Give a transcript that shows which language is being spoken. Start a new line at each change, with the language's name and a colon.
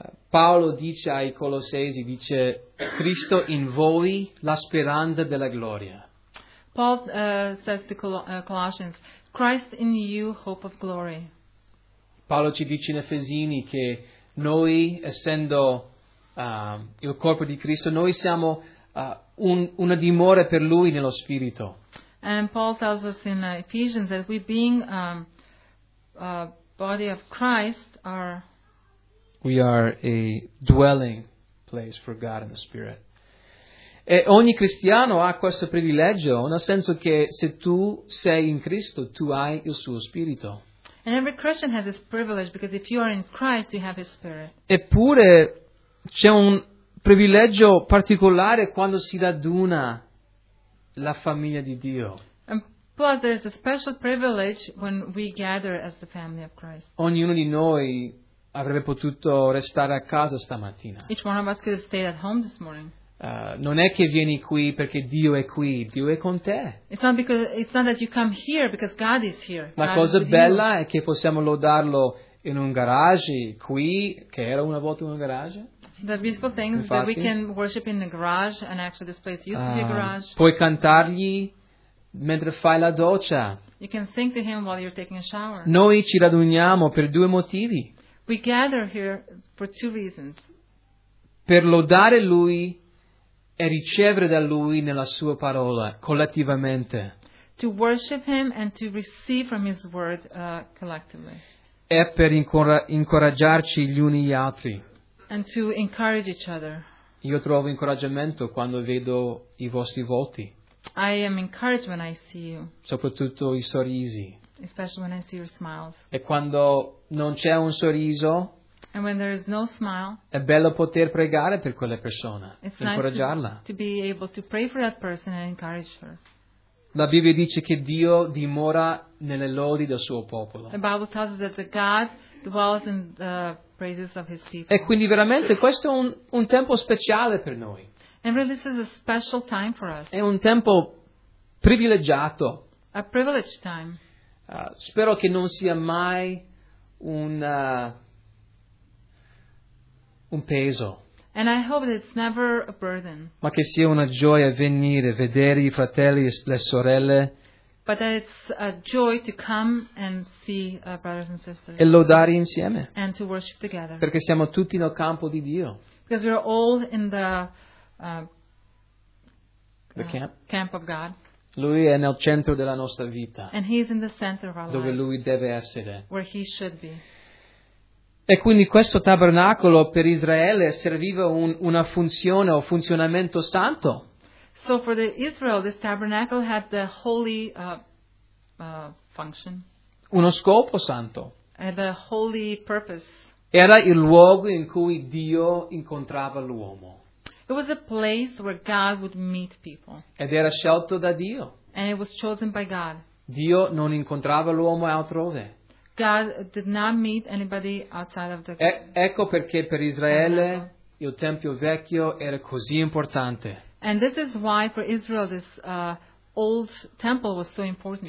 Italian: Paolo dice ai Colossesi, dice: Cristo in voi, la speranza della gloria.
English: Paul says to Colossians, Christ in you, hope of glory.
Italian: Paolo ci dice in Efesini che noi, essendo il corpo di Cristo, noi siamo una dimora per Lui nello Spirito.
English: And Paul tells us in Ephesians that we being a body of Christ are... We are a dwelling place for God in the Spirit.
Italian: E ogni cristiano ha questo privilegio, nel senso che se tu sei in Cristo, tu hai il suo Spirito.
English: And every Christian has this privilege, because if you are in Christ, you have His Spirit.
Italian: Eppure c'è un privilegio particolare quando si raduna la famiglia di Dio.
English: And plus, there is a special privilege when we gather as the family of Christ.
Italian: Ognuno di noi avrebbe potuto restare a casa stamattina.
English: Each one of us could have stayed at home this morning.
Italian: Non è che vieni qui perché Dio è qui, Dio è con te.
English: It's not because it's not that you come here because God is here.
Italian: La cosa bella è che possiamo lodarlo in un garage qui, che era una volta un garage.
English: The beautiful thing is that we can worship in the garage, and actually this place used to be a garage.
Italian: Puoi cantargli mentre fai la doccia.
English: You can sing to him while you're taking a shower.
Italian: Noi ci raduniamo per due motivi.
English: We gather here for two reasons.
Italian: Per lodare Lui e ricevere da Lui nella Sua parola collettivamente.
English: To worship Him and to receive from His word collectively.
Italian: E per incoraggiarci gli uni gli altri.
English: And to encourage each other.
Italian: Io trovo incoraggiamento quando vedo i vostri volti.
English: I am encouraged when I see you.
Italian: Soprattutto i sorrisi.
English: Especially when I see your smiles.
Italian: E quando non c'è un sorriso.
English: And when there is no smile.
Italian: È bello poter pregare per quella persona.
English: It's nice
Italian: incoraggiarla.
English: To be able to pray for that person and encourage her.
Italian: La Bibbia dice che Dio dimora nelle lodi del suo popolo.
English: The Bible tells us that the God dwells in the praises of His people.
Italian: E quindi veramente questo è un tempo speciale per noi.
English: And really this is a special time for us.
Italian: È un tempo privilegiato.
English: A privileged time.
Italian: Spero che non sia mai un peso.
English: And I hope that it's never a burden.
Italian: Ma che sia una gioia venire, vedere i fratelli e le sorelle.
English: But that it's a joy to come and see brothers and sisters.
Italian: E lodare insieme.
English: And to worship together.
Italian: Perché siamo tutti nel campo di Dio.
English: Because we're all in the camp of God.
Italian: Lui è nel centro della nostra vita.
English: And he is in the center of our
Italian: dove
English: life,
Italian: lui deve essere.
English: Where he should be.
Italian: E quindi questo tabernacolo per Israele serviva una funzione o funzionamento santo.
English: So for the Israel this tabernacle had the holy function.
Italian: Uno scopo santo.
English: And a holy purpose.
Italian: Era il luogo in cui Dio incontrava l'uomo.
English: It was a place where God would meet people.
Italian: Ed era scelto da Dio.
English: And it was chosen by God.
Italian: Dio non incontrava l'uomo altrove.
English: God did not meet anybody outside of the
Italian: Ecco perché per Israele il Tempio Vecchio era così importante.
English: And this is why for Israel this old temple was so important.